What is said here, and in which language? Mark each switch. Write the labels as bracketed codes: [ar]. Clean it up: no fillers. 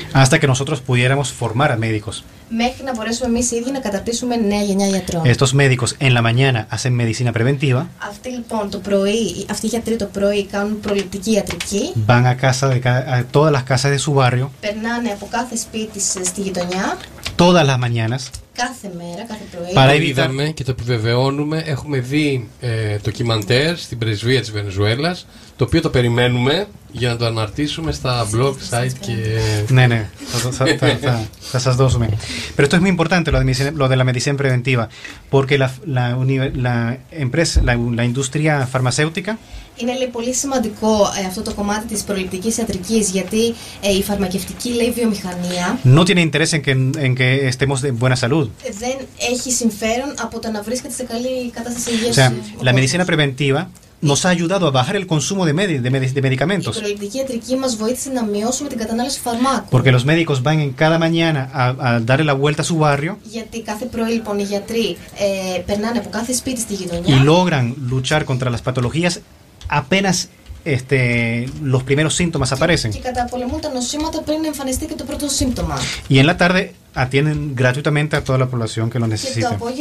[el] Άστα και [es] nosotros pudiéramos formar a médicos. [el] Μέχρι να μπορέσουμε εμείς ήδη να καταρτήσουμε νέα γενιά γιατρών. [es] Estos médicos en la mañana hacen medicina preventiva. [el] Αυτοί λοιπόν το πρωί, αυτοί οι γιατροί το πρωί κάνουν προληπτική ιατρική. [es] Van a casa de todas las casas de su barrio. [el] Περνάνε από κάθε σπίτι στη γειτονιά. [es] Todas las mañanas. [el] Κάθε μέρα, κάθε πρωί. Παρέβη, είδαμε και το επιβεβαιώνουμε. Έχουμε δει ντοκιμαντέρ στην πρεσβεία της Βενεζουέλας, το οποίο το περιμένουμε για να το αναρτήσουμε στα blog, site και... Ναι, ναι, θα σας δώσουμε. [es] Pero esto es muy importante, lo de la medicina preventiva, porque la empresa, la industria farmacéutica... [el] Είναι λέει, πολύ σημαντικό αυτό το κομμάτι της προληπτικής ιατρικής, γιατί η φαρμακευτική λέει βιομηχανία... [es] No tiene interés en que estemos de buena salud. [el] Δεν έχει συμφέρον από το να βρίσκεται σε καλή κατάσταση υγείας. [es] O sea, la medicina preventiva... Nos ha ayudado a bajar el consumo de medicamentos. [el] Η προληπτική ιατρική μας βοήθησε να μειώσουμε την κατανάλωση φαρμάκων. [es] Porque los médicos van en cada mañana a darle la vuelta a su barrio. [el] Γιατί κάθε πρωί λοιπόν οι γιατροί περνάνε από κάθε σπίτι στη γειτονιά. [es] Y logran luchar contra las patologías apenas los primeros síntomas aparecen. [el] Και καταπολεμούν τα νοσήματα πριν εμφανιστεί και το πρώτο σύμπτωμα. [es] Y en la tarde atienden gratuitamente a toda la población que lo necesita.